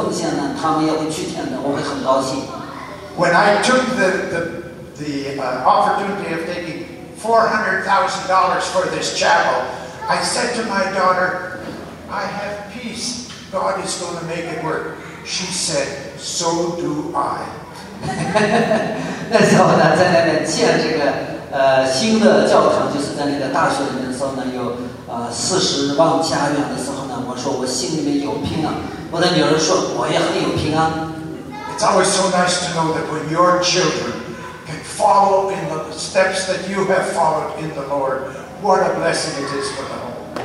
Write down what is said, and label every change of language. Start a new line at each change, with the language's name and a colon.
Chinese: 如果钱去了那个地方，我到天堂的时候，我会看见好多人因着我的奉献呢，他们也会去天堂，我会很高兴。
English: When I took the opportunity of taking $400,000 for this chapel, I said to my daughter, I have peace. God is going to make it work. She said, so do I.
Chinese: 那时候呢，在那边建这个新的教堂，就是在那个大学里面的时候呢，有40万家园的时候呢，我说我心里面有平安。我的女儿说，我也很有平安。
English: It's always so nice to know that when your children can follow in the steps that you have followed in the Lord, what a blessing it is for them.